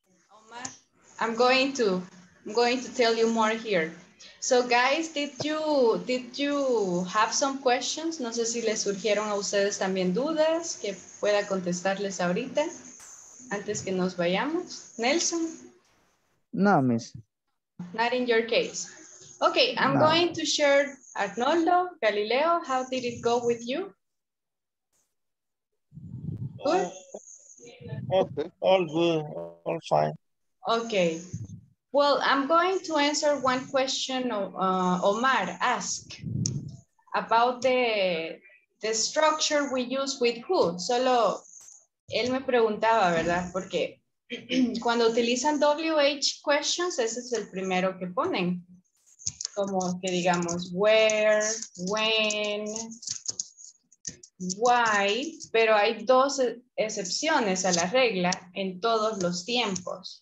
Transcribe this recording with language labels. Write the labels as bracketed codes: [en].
[en] Omar, I'm going to tell you more here. So guys, did you have some questions? [es] No sé si les surgieron a ustedes también dudas que pueda contestarles ahorita antes que nos vayamos. Nelson. [en] No, miss. Not in your case. Okay, I'm going to share Arnoldo, Galileo, how did it go with you? Good? Okay, all good, all fine. Okay. Well, I'm going to answer one question Omar asked about the structure we use with who. [es] Solo él me preguntaba, ¿verdad? Porque cuando utilizan WH questions, ese es el primero que ponen. Como que digamos, [en] where, when, why, [es] pero hay dos excepciones a la regla en todos los tiempos.